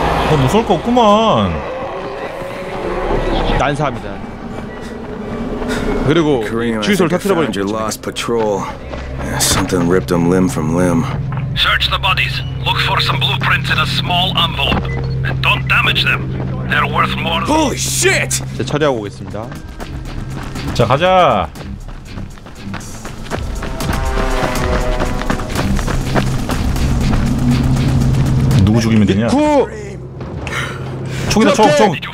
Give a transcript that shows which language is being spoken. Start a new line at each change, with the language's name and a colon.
Korean: 너 무서울 거 없구만. 난사합니다. 그리고 주유소를 터뜨려버린
English: lost patrol. Something ripped them limb from limb. Search the bodies. Look for some blueprints in a small envelope. And don't damage them. They're worth more. Holy shit!
Korean: 자, 처리하고 오겠습니다. 자, 가자. 누구 죽이면 되냐? 구! 총이다, 총, 총.